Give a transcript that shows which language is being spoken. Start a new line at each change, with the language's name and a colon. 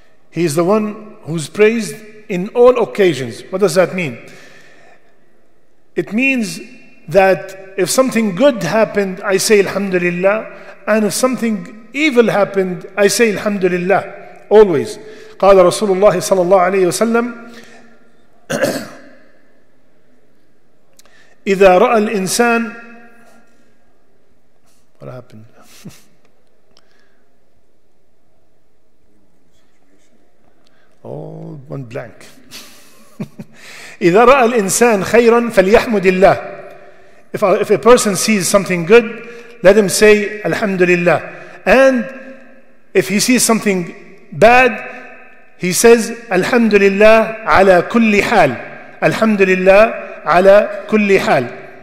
English: He is the one who's praised in all occasions. What does that mean? It means that if something good happened, I say Alhamdulillah, and if something evil happened, I say Alhamdulillah, always.
Arabic: قال رسول الله صلى الله عليه وسلم إذا رأى الإنسان
English: What happened? All one blank.
Arabic: إذا رأى الإنسان خيرا فليحمد الله.
English: If a person sees something good, let him say Alhamdulillah. And if he sees something bad, he says Alhamdulillah
Arabic: على كل حال. Alhamdulillah على كل حال.